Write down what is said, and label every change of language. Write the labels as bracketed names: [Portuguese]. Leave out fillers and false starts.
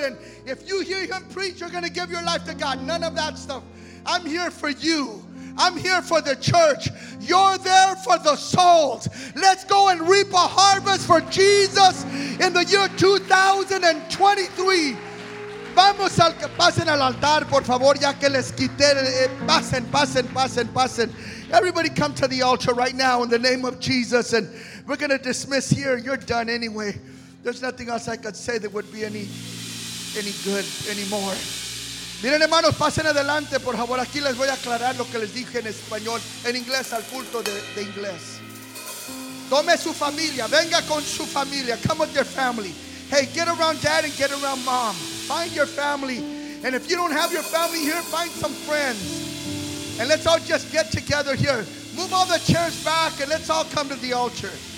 [English] And if you hear him preach, you're going to give your life to God. None of that stuff. I'm here for you. I'm here for the church. You're there for the souls. Let's go and reap a harvest for Jesus in the year 2023. [Spanish] vamos al que pasen al altar, por favor, ya que les quité. Pasen, pasen, pasen, pasen. [English] Everybody come to the altar right now in the name of Jesus. And we're going to dismiss here. You're done anyway. There's nothing else I could say that would be any good anymore. [Spanish] Miren, hermanos, pasen adelante, por favor. Aquí les voy a aclarar lo que les dije en español, en inglés, al culto de inglés. Tome su familia. Venga con su familia. [English] Come with your family. Hey, get around dad and get around mom. Find your family. And if you don't have your family here, find some friends. And let's all just get together here. Move all the chairs back and let's all come to the altar.